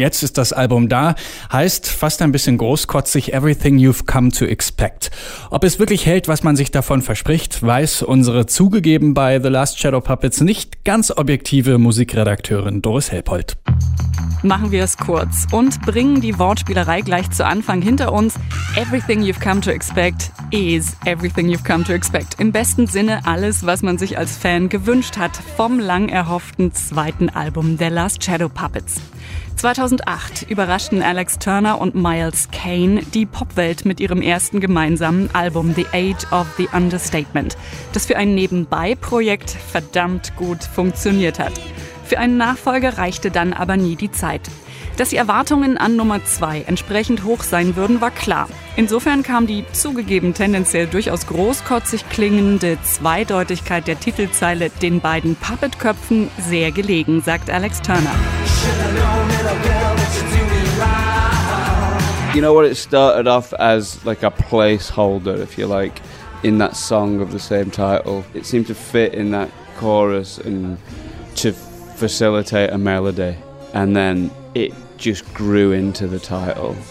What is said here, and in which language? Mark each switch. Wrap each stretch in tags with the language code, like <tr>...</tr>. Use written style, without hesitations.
<de>Jetzt ist das Album da, heißt fast ein bisschen großkotzig Everything You've Come to Expect. Ob es wirklich hält, was man sich davon verspricht, weiß unsere zugegeben bei The Last Shadow Puppets nicht ganz objektive Musikredakteurin Doris Helpold. Machen wir es kurz und bringen die Wortspielerei gleich zu Anfang hinter uns.</de> <en>Everything you've come to expect is everything you've come to expect.</en> <de>Im besten Sinne alles, was man sich als Fan gewünscht hat vom lang erhofften 2. Album The Last Shadow Puppets. 2008 überraschten Alex Turner und Miles Kane die Popwelt mit ihrem ersten gemeinsamen Album The Age of the Understatement, das für ein Nebenbei-Projekt verdammt gut funktioniert hat. Für einen Nachfolger reichte dann aber nie die Zeit. Dass die Erwartungen an Nummer 2 entsprechend hoch sein würden, war klar. Insofern kam die zugegeben tendenziell durchaus großkotzig klingende Zweideutigkeit der Titelzeile den beiden Puppetköpfen sehr gelegen, sagt Alex Turner.</de> <en>You know what, it started off as like a placeholder, if you like, in that song of the same title. It seemed to fit in that chorus and to facilitate a melody. And then it just grew into the title.</en>